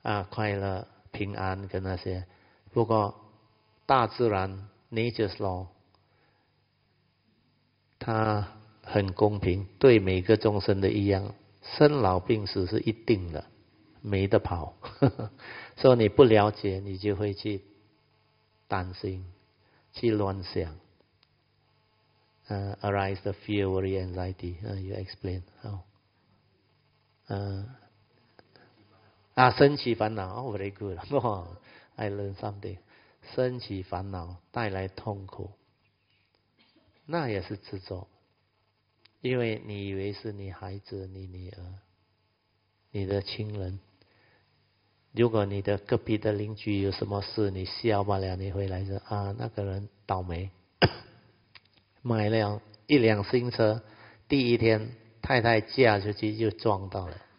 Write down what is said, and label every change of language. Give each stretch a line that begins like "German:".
Chinese: 快乐平安跟那些，不过大自然 Nature's Law 它很公平，对每个众生的一样，生老病死是一定的，没得跑。所以你不了解，你就会去担心，去乱想。
English: Arise the fear, worry, anxiety. You explain how.
Chinese: 升起烦恼 ，
English: oh very good，
Chinese: 哈、oh, ，
English: I learn something，
Chinese: 升起烦恼带来痛苦，那也是执着，因为你以为是你孩子、你女儿、你的亲人，如果你的隔壁的邻居有什么事，你笑罢了，你回来说啊，那个人倒霉，买了一辆新车，第一天太太嫁出去就撞到了。